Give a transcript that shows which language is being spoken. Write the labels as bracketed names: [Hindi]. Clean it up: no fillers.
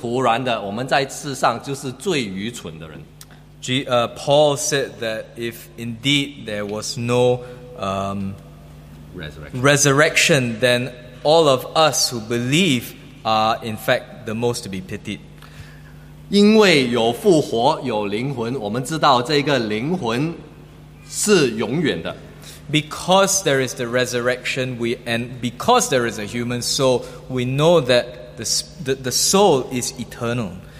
[Chinese] 保罗说，如果没有复活，我们这些相信耶稣的人就是徒然的，我们在世上就是最愚蠢的人。 [English] Paul said that if indeed there was no resurrection, then all of us who believe are in fact the most to be pitied. [Chinese] 因为有复活，有灵魂，我们知道这个灵魂是永远的。 [English] Because there is the resurrection, because there is a human soul, we know that the soul is eternal.